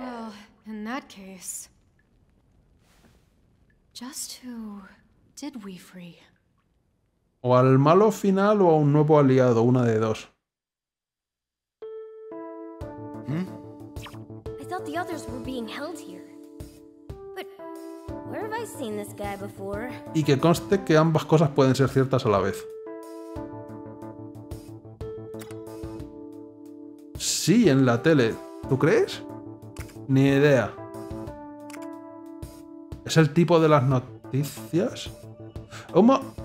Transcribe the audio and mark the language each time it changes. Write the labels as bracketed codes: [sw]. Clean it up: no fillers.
[en] Well, in that case, just who did we free? [es] O al malo final o a un nuevo aliado, una de dos. Hmm? [en] I thought the others were being held here. Where have I seen this guy before? [es] Y que conste que ambas cosas pueden ser ciertas a la vez. Sí, en la tele. ¿Tú crees? Ni idea. ¿Es el tipo de las noticias? ¿Cómo?